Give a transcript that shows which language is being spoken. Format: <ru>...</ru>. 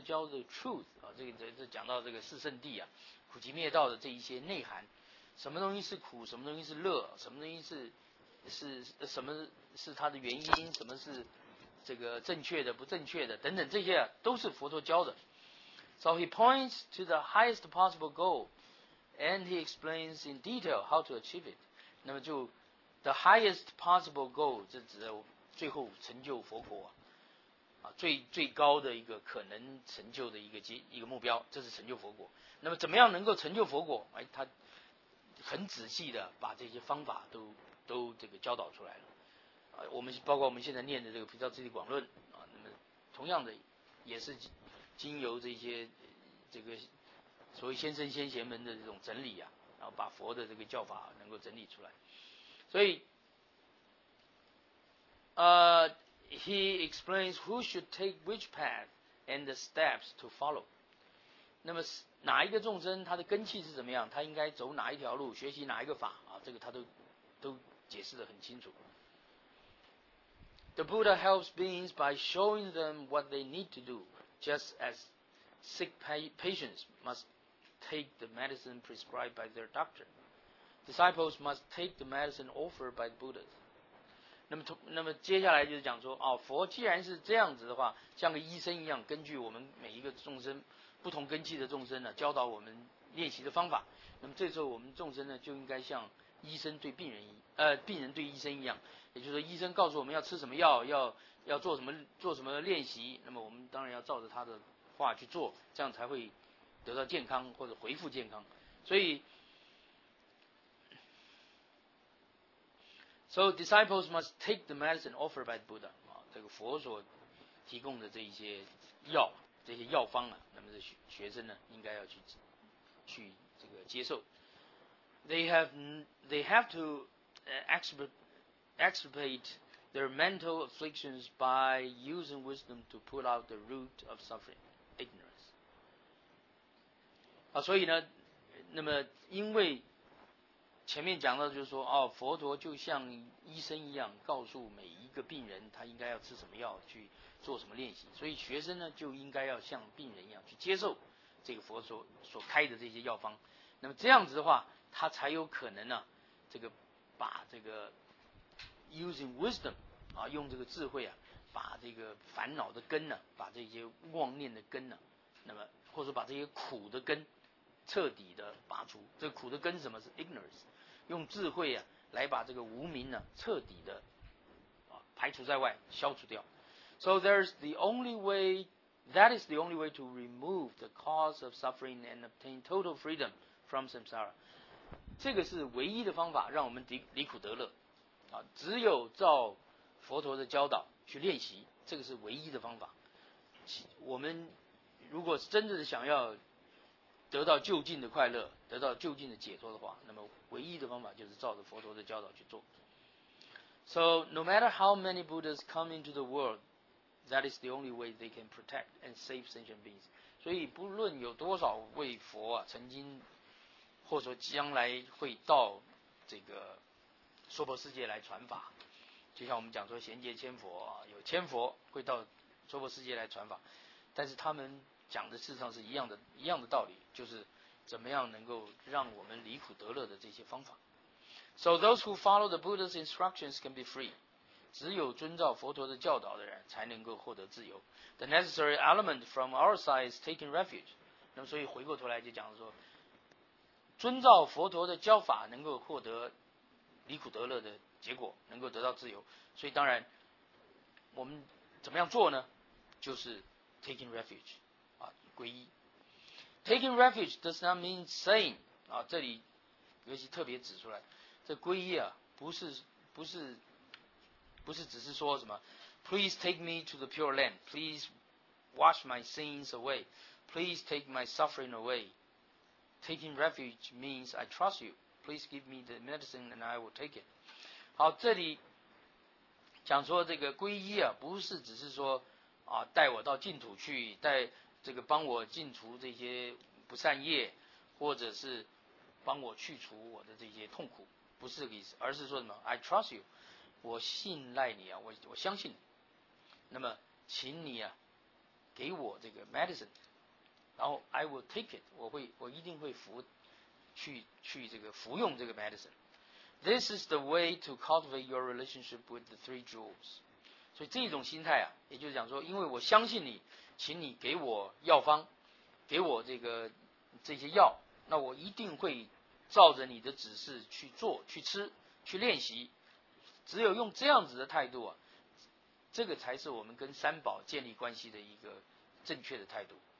<zh>教的 truth 啊，这讲到这个四圣谛啊，苦集灭道的这一些内涵。什么东西是苦？什么东西是乐？什么东西什么是它的原因？什么是这个正确的、不正确的？等等，这些、都是佛陀教的。</zh> <en>So he points to the highest possible goal, and he explains in detail how to achieve it.</en> <zh>那么就</zh> <en>the highest possible goal，</en> <zh>这指的最后成就佛果啊，最高的一个可能成就的一个目标，这是成就佛果。那么怎么样能够成就佛果？哎，他很仔细的把这些方法都这个教导出来了，我们包括我们现在念的这个《菩萨戒律广论》啊，那么同样的也是经由这些这个所谓先生先贤们的这种整理啊，然后把佛的这个教法能够整理出来。</zh> <en>所以，he explains who should take which path and the steps to follow。</en> <zh>那么哪一个众生他的根器是怎么样，他应该走哪一条路，学习哪一个法啊？这个他都解释得很清楚。</zh> <en>The Buddha helps beings by showing them what they need to do, just as sick patients must take the medicine prescribed by their doctor. Disciples must take the medicine offered by the Buddha.</en> <zh>那么接下来就是讲说、佛既然是这样子的话，像个医生一样，根据我们每一个众生不同根器的众生呢，教导我们练习的方法。那么这时候我们众生呢，就应该像医生对病人对医生一样，也就是说医生告诉我们要吃什么药，要做什么练习，那么我们当然要照着他的话去做，这样才会得到健康或者恢复健康。</zh> <en>所以 ，So disciples must take the medicine offered by the Buddha 啊，</en> <zh>这个佛所提供的这一些药。这些药方啊，那么这 学生呢应该要去这个接受。</zh> <en>They have to extirpate their mental afflictions by using wisdom to pull out the root of suffering, ignorance.</en> <zh>啊，所以呢，那么因为前面讲到就是说，佛陀就像医生一样，告诉每一个病人他应该要吃什么药，去做什么练习。所以学生呢，就应该要像病人一样去接受这个佛所开的这些药方。那么这样子的话，他才有可能呢，这个把这个</zh> <en>using wisdom</en> <zh>啊，用这个智慧啊，把这个烦恼的根呢，把这些妄念的根呢，那么或者说把这些苦的根彻底的拔除。这苦的根是什么？是 ignorance， 用智慧啊来把这个无明呢彻底的排除在外，消除掉。</zh> <en>So there's the only way, that is the only way to remove the cause of suffering and obtain total freedom from samsara.</en> <zh>这个是唯一的方法，让我们离苦得乐啊！只有照佛陀的教导去练习，这个是唯一的方法。我们如果真的想要得到就近的快乐，得到就近的解脱的话，那么唯一的方法就是照着佛陀的教导去做。</zh> <en>So no matter how many Buddhas come into the world, that is the only way they can protect and save sentient beings.</en> <zh>所以不论有多少位佛啊，曾经或者说将来会到这个娑婆世界来传法，就像我们讲说贤劫千佛啊，有千佛会到娑婆世界来传法，但是他们讲的事实上是一样的道理，就是怎么样能够让我们离苦得乐的这些方法。</zh> <en>So those who follow the Buddha's instructions can be free.</en> <zh>只有遵照佛陀的教导的人才能够获得自由。</zh> <en>The necessary element from our side is taking refuge.</en> <zh>那么所以回过头来就讲说，遵照佛陀的教法能够获得离苦得乐的结果能够得到自由。所以当然我们怎么样做呢？</zh> <en>就是 taking refuge 啊，皈依。taking refuge does not mean saying 啊，</en> <zh>这里尤其特别指出来，这皈依啊，不是只是说什么</zh> <en>please take me to the pure land, please wash my sins away, please take my suffering away. Taking refuge means I trust you, please give me the medicine and I will take it.</en> <zh>好，这里讲说这个皈依啊，不是只是说啊，带我到净土去，带这个帮我净除这些不善业，或者是帮我去除我的这些痛苦，不是这个意思，而是说什么 ？</zh> <en>I trust you，</en> <zh>我信赖你啊，我相信你。那么，请你啊，给我这个 medicine， 然后</zh> <en>I will take it，</en> <zh>我一定会去这个服用这个 medicine。</zh> <en>This is the way to cultivate your relationship with the three jewels。</en> <zh>所以这种心态啊，也就是讲说，因为我相信你，请你给我药方，给我这些药，那我一定会照着你的指示去做、去吃、去练习。只有用这样子的态度啊，这个才是我们跟三宝建立关系的一个正确的态度。</zh>